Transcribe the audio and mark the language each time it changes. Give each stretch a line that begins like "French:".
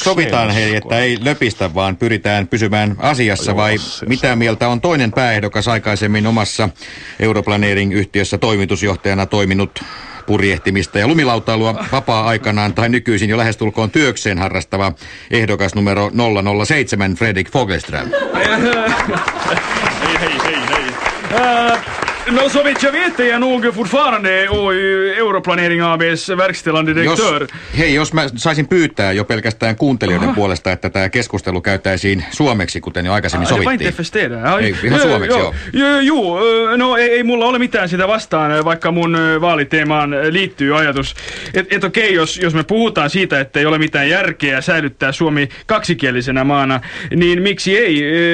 Finnish: sovitaan niin, hei, että ei löpistä, vaan pyritään pysymään asiassa, vai siis mitä mieltä on toinen pääehdokas aikaisemmin omassa Europlanering-yhtiössä toimitusjohtajana toiminut purjehtimista ja lumilautailua vapaa-aikanaan tai nykyisin jo lähestulkoon työkseen harrastava ehdokas numero 007 Fredrik Fogelström. Hei.
Swedish: No så vet jag vet jag nog fortfarande Europlanering AB:s verkställande direktör.
Finnish: Hei, jos mä saisin pyytää jo pelkästään kuuntelijoiden puolesta, että tämä keskustelu käytäisiin suomeksi, kuten jo aikaisemmin sovittiin.
Swedish: Ah, det var inte
Finnish: festera. Ihan suomeksi, joo. No ei mulla ole mitään sitä vastaan, vaikka mun vaaliteemaan liittyy ajatus. Et okei, jos me puhutaan siitä, että ei ole mitään järkeä säilyttää Suomi kaksikielisenä maana, niin miksi ei?